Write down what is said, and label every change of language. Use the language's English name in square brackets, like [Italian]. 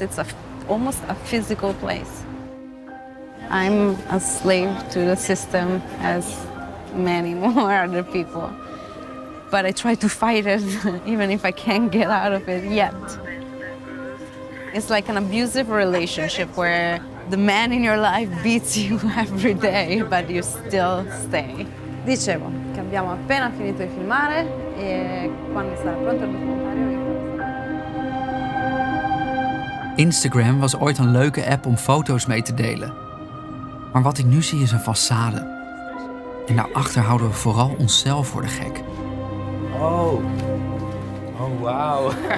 [English] It's almost a physical place. I'm a slave to the system as many more other people. But I try to fight it, even if I can't get out of it yet. It's like an abusive relationship where the man in your life beats you every day, but you still stay. [Italian] Dicevo che abbiamo appena finito di filmare e quando sarà pronto il documentario. [Dutch] Instagram was ooit een leuke app om foto's mee te delen. Maar wat ik nu zie is een façade. En daarachter houden we vooral onszelf voor de gek. [English] Oh. Oh wow.